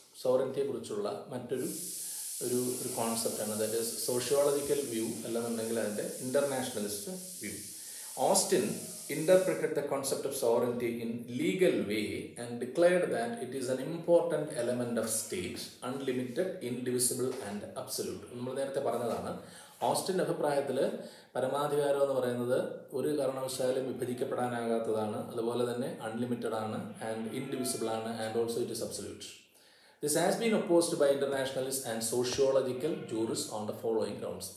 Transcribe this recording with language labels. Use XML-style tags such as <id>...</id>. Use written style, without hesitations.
<ml>സോവറിറ്റിയെ കുറിച്ചുള്ള മറ്റൊരു ഒരു ഒരു കോൺസെപ്റ്റാണ്,</ml> <en>that is sociological view</en> <ml>അല്ലെന്നുണ്ടെങ്കിൽ അതിൻ്റെ ഇൻ്റർനാഷണലിസ്റ്റ് view.</ml> <en>Austin interpreted the concept of sovereignty in legal way and declared that it is an important element of state, unlimited, indivisible and absolute.</en> <ml>നമ്മൾ നേരത്തെ പറഞ്ഞതാണ്, ഓസ്റ്റിൻ്റെ അഭിപ്രായത്തിൽ പരമാധികാരം എന്ന് പറയുന്നത് ഒരു കാരണവശാലും വിഭജിക്കപ്പെടാനാകാത്തതാണ്, അതുപോലെ തന്നെ അൺലിമിറ്റഡ് ആണ്, ആൻഡ് ഇൻഡിവിസിബിൾ ആണ്,</ml> <en>And also it is absolute. This has been opposed by internationalist and sociological jurists on the following grounds.</en>